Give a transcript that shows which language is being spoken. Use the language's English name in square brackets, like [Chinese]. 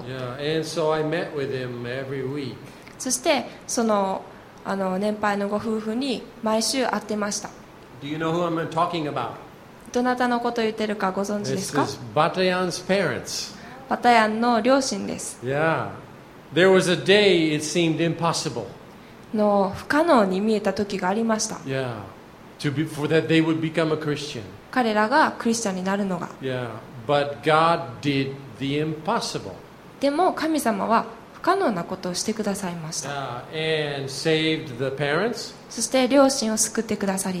[English] Yeah, and so I met with him every week. [Japanese] そしてあの年配のご夫婦に毎週会ってました。 [English] Do you know who I'm talking about? [Japanese] どなたのことを言ってるかご存知ですか? [English] This is Batayan's parents. [Japanese] バタヤンの両親です。 [English] Yeah, there was a day it seemed impossible. [Japanese] の不可能に見えた時がありました。 [English] Yeah. To be, for that they would become a Christian. [Japanese] 彼らがクリスチャンになるのが。 [English] Yeah. But God did the impossible. [Japanese] でも神様は不可能なことをしてくださいました。 [English] And saved the parents. [Japanese] そして両親を救ってくださり。